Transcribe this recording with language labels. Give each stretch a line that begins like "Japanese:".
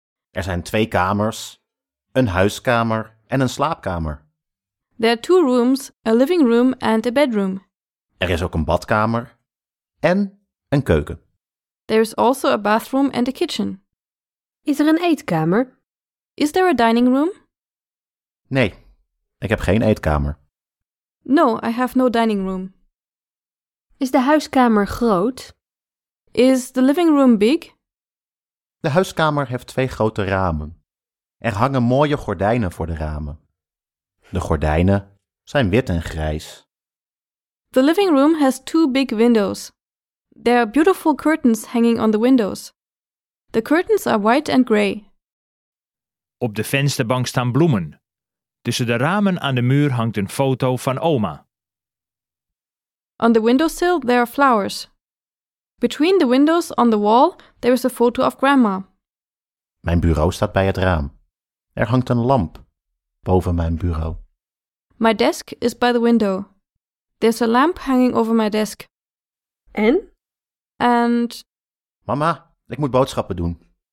Dutch: Er zijn twee kamers, een huiskamer en een slaapkamer.
English: There are two rooms, a living room and a bedroom.
Dutch: Er is ook een badkamer en een keuken.
English: There is also a bathroom and a kitchen.
Dutch: Is er een eetkamer?
English: Is there a dining room?
Dutch: Nee, ik heb geen eetkamer.
English: No, I have no dining room.
Dutch: Is de huiskamer groot?
English: Is the living room big?
Dutch: De huiskamer heeft twee grote ramen. Er hangen mooie gordijnen voor de ramen. De gordijnen zijn wit en grijs.
English: The living room has two big windows. There are beautiful curtains hanging on the windows. The curtains are white and grey.
Dutch: Op de vensterbank staan bloemen. Tussen de ramen aan de muur hangt een foto van oma.
English: On the windowsill there are flowers. Between the windows on the wall there is a photo of grandma.
Dutch: Mijn bureau staat bij het raam. Er hangt een lamp boven mijn bureau.
English: My desk is by the window. There's a lamp hanging over my desk.
Dutch: En?
English: And...
Dutch: Mama! Ik moet boodschappen doen.